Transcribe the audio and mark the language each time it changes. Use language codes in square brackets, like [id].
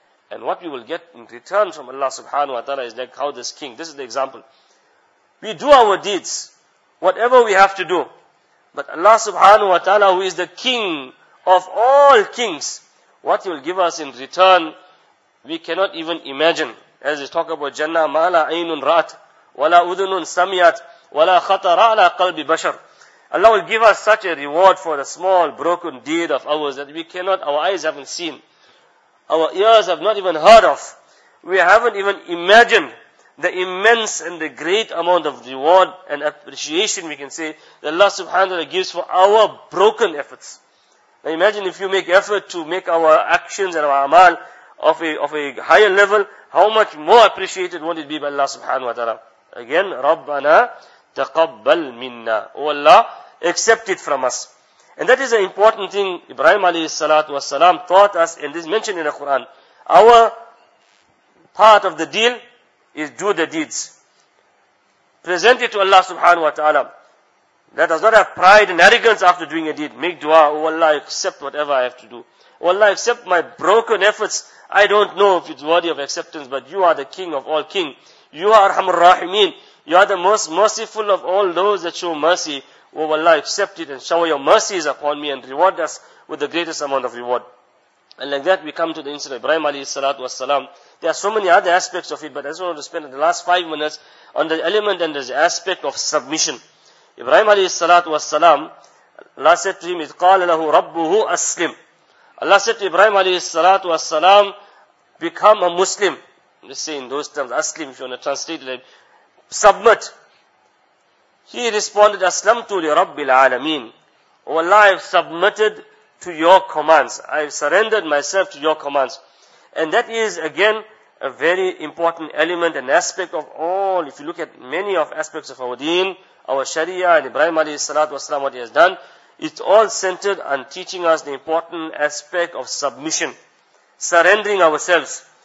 [en] And what we will get in return from Allah subhanahu wa ta'ala is like how this king, this is the example. We do our deeds, whatever we have to do. But Allah subhanahu wa ta'ala, who is the king of all kings, what he will give us in return, we cannot even imagine. [ar] As we talk about Jannah, مَا لَا عَيْنٌ رَأَتْ وَلَا أُذُنٌ سَمِيَتْ وَلَا خَطَرَ عَلَى قَلْبِ بَشَرٍ. [en] Allah will give us such a reward for the small broken deed of ours that we cannot, our eyes haven't seen. Our ears have not even heard of. We haven't even imagined the immense and the great amount of reward and appreciation, we can say, that Allah subhanahu wa ta'ala gives for our broken efforts. Now imagine if you make effort to make our actions and our amal of a higher level, how much more appreciated won't it be by Allah subhanahu wa ta'ala. [ar] Again, رَبَّنَا تَقَبَّلْ مِنَّا. [en] Oh Allah, accept it from us. And that is an important thing Ibrahim alayhi salatu was salam taught us, and this is mentioned in the Quran. Our part of the deal is do the deeds. Present it to Allah subhanahu wa ta'ala. Let us not have pride and arrogance after doing a deed. Make dua, oh Allah, accept whatever I have to do. Oh Allah, accept my broken efforts. I don't know if it's worthy of acceptance, but you are the king of all king. You are Arhamur Rahimeen. You are the most merciful of all those that show mercy. Oh Allah, accept it and shower your mercies upon me and reward us with the greatest amount of reward. And like that, we come to the incident of Ibrahim alayhi salatu wassalam. There are so many other aspects of it, but I just want to spend the last 5 minutes on the element and the aspect of submission. Ibrahim علیہ الصلوۃ والسلام Allah says ٹریم قال له ربه اسلم, Allah says Ibrahim علیہ الصلوۃ والسلام become a Muslim, seen those terms اسلم شو نہ ٹرانسلیٹ سبمٹ. He responded, [ar] "Aslamtu li Rabbil Alameen." [en] Oh Allah, I have submitted to your commands. I have surrendered myself to your commands. And that is, again, a very important element, an aspect of all, if you look at many of aspects of our deen, our sharia, and Ibrahim alayhi salatu wasalam, what he has done, it's all centered on teaching us the important aspect of submission, surrendering ourselves.